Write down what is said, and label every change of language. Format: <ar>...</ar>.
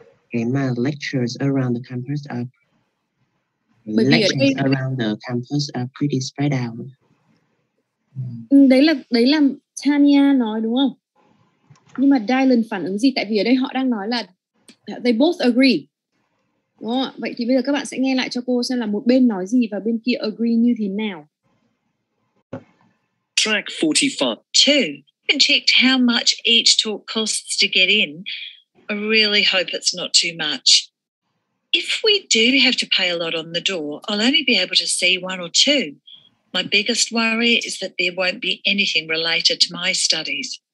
<vi>Cái mà</vi> <en>lectures around the campus are pretty spread out.</en> <vi>Đấy là Tanya nói đúng không? Nhưng mà Dylan phản ứng gì? Tại vì ở đây họ đang nói là</vi> <en>they both agree.</en> <vi>Đúng không? Vậy thì bây giờ các bạn sẽ nghe lại cho cô xem là một bên nói gì và bên kia agree như thế nào.</vi> <en>Track 45. Two. And checked how much each talk costs to get in. I really hope it's not too much. If we do have to pay a lot on the door, I'll only be able to see one or two. My biggest worry is that there won't be anything related to my studies.</en>